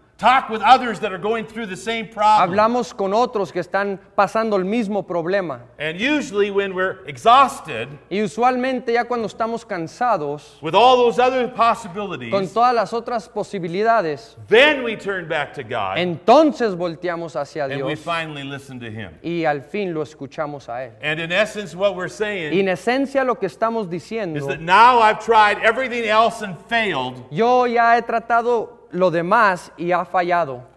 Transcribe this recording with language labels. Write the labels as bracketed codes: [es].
[en] Talk with others that are going through the same problem. [es] Hablamos con otros que están pasando el mismo problema. [en] And usually when we're exhausted, [es] y usualmente ya cuando estamos cansados, [en] with all those other possibilities, [es] con todas las otras posibilidades, [en] then we turn back to God. [es] Entonces volteamos hacia Dios. [en] And we finally listen to him. [es] Y al fin lo escuchamos a él. [en] And in essence what we're saying, [es] y en esencia lo que estamos diciendo, [en] is that now I've tried everything else and failed. [es] Yo ya he tratado lo demás y ha fallado.